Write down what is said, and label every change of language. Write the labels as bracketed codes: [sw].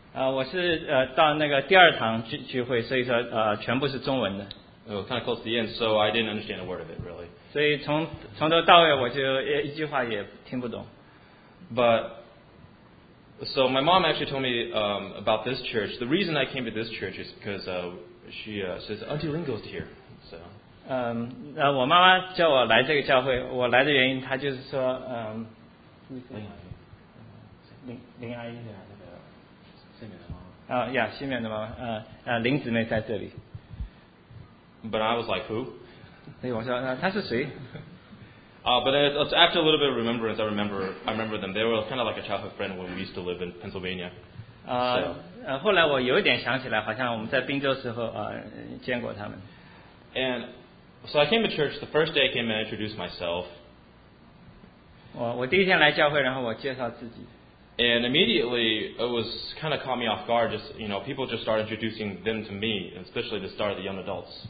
[zh] 我是到那个第二堂聚会，所以说全部是中文的。 [en] It was kind of close to the end, so I didn't understand a word of it really. [zh] 所以从头到尾我就一句话也听不懂。 [en] But So my mom actually told me about this church. The reason I came to this church is because she says Auntie Ling goes here. So. [zh] 我妈妈叫我来这个教会。我来的原因，她就是说，林阿姨，林阿姨的新面的妈妈。新面的妈妈，林姊妹在这里。 [en] But I was like, who? [zh] 哎，我说，她是谁？ [en] But it's after a little bit of remembrance, I remember them. They were kind of like a childhood friend when we used to live in Pennsylvania. [zh] 后来我有点想起来，好像我们在宾州时候见过他们。 [en] And so I came to church. The first day I came and introduced myself. [zh] 我第一天来教会，然后我介绍自己。 [en] And immediately it was kind of caught me off guard. Just you know, people just started introducing them to me, especially the start of the young adults.